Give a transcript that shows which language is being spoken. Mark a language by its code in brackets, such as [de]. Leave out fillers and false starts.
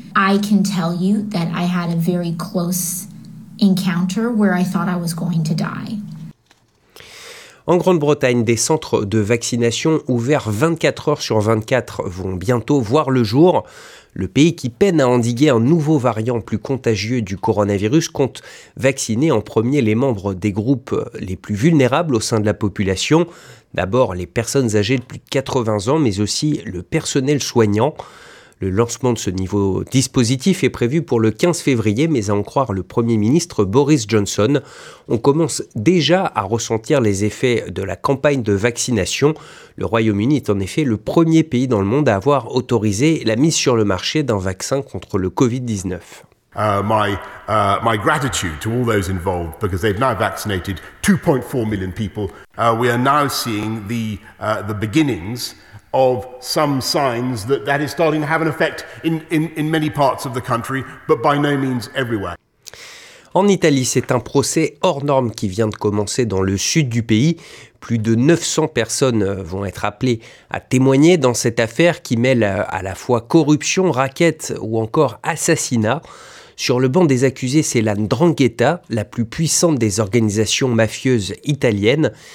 [en] I can tell you that I had a very close encounter where I thought I was going to die. [fr] En Grande-Bretagne, des centres de vaccination ouverts 24 heures sur 24 vont bientôt voir le jour. Le pays qui peine à endiguer un nouveau variant plus contagieux du coronavirus compte vacciner en premier les membres des groupes les plus vulnérables au sein de la population. D'abord les personnes âgées de plus de 80 ans, mais aussi le personnel soignant. Le lancement de ce nouveau dispositif est prévu pour le 15 février, mais à en croire le Premier ministre Boris Johnson, on commence déjà à ressentir les effets de la campagne de vaccination. Le Royaume-Uni est en effet le premier pays dans le monde à avoir autorisé la mise sur le marché d'un vaccin contre le Covid-19. [en] My gratitude to all those involved because they've now vaccinated 2.4 million people. We are now seeing the beginnings of some signs that is starting to have an effect in many parts of the country, but by no means everywhere. [fr] En Italie, c'est un procès hors norme qui vient de commencer dans le sud du pays. Plus de 900 personnes vont être appelées à témoigner dans cette affaire qui mêle à la fois corruption, rackets ou encore assassinat. Sur le banc des accusés, c'est la 'Ndrangheta, la plus puissante des organisations mafieuses italiennes.